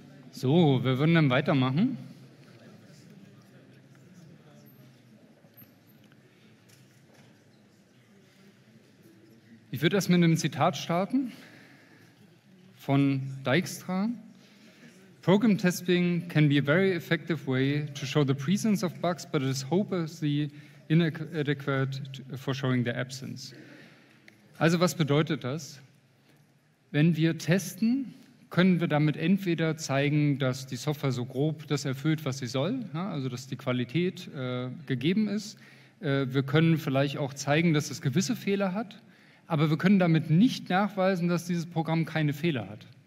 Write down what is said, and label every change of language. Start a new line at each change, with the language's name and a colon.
German: So, wir würden dann weitermachen. Ich würde erst mit einem Zitat starten von Dijkstra.
English: Program testing can be a very effective way to show the presence of bugs, but it is hopelessly inadequate for showing their absence.
German: Also, was bedeutet das? Wenn wir testen, können wir damit entweder zeigen, dass die Software so grob das erfüllt, was sie soll, ja, also dass die Qualität gegeben ist. Wir können vielleicht auch zeigen, dass es gewisse Fehler hat, aber wir können damit nicht nachweisen, dass dieses Programm keine Fehler hat.